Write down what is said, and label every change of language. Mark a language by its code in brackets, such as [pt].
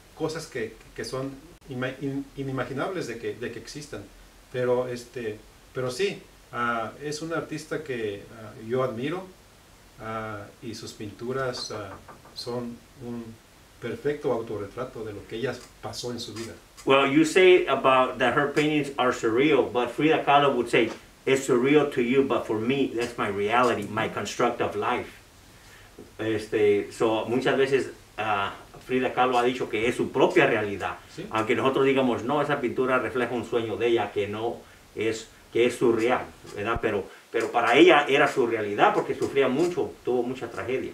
[es] Cosas que son inimaginables de que existan, pero sí, es un artista que yo admiro, y sus pinturas son un perfecto autorretrato de lo que ella pasó en su vida. [en] Well, you say about that her paintings are surreal, but Frida Kahlo would say, it's surreal to you, but for me, that's my reality, my construct of life. [es] So muchas veces Frida Kahlo ha dicho que es su propia realidad. ¿Sí? Aunque nosotros digamos, no, esa pintura refleja un sueño de ella, que no es, que es surreal, ¿verdad? Pero pero para ella era su realidad porque sufría mucho, tuvo mucha tragedia.